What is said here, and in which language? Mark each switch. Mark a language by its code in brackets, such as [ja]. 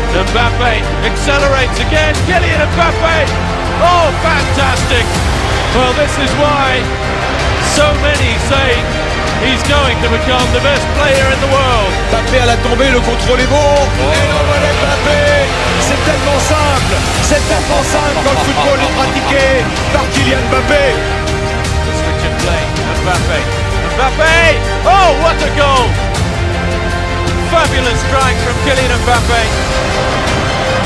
[en] Mbappe accelerates again, Kylian Mbappe, oh fantastic, well this is why so many say he's going to become the best player in the world. [fr] Mbappe à la tombée, le contrôle est bon, et l'envoi Mbappe, c'est tellement simple quand le football est pratiqué par Kylian Mbappe. [en] The switch of play, Mbappe, Mbappe, oh what a goal! Fabulous strike from Kylian Mbappe.